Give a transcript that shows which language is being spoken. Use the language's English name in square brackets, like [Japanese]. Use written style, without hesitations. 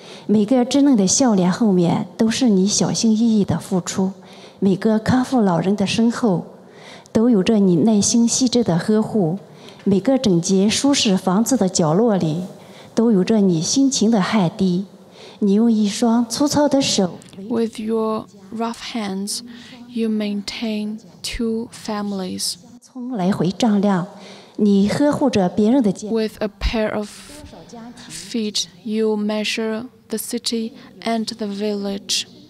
[Chinese] 每个稚嫩的笑脸后面都是你小心翼翼的付出，每个康复老人的身后都有着你耐心细致的呵护，每个整洁舒适房子的角落里都有着你辛勤的汗滴。你用一双粗糙的手 [English] With your rough hands you maintain two families [Chinese] 匆来回丈量，你呵护着别人的家 [English] With a pair of feet you measure the city and the village.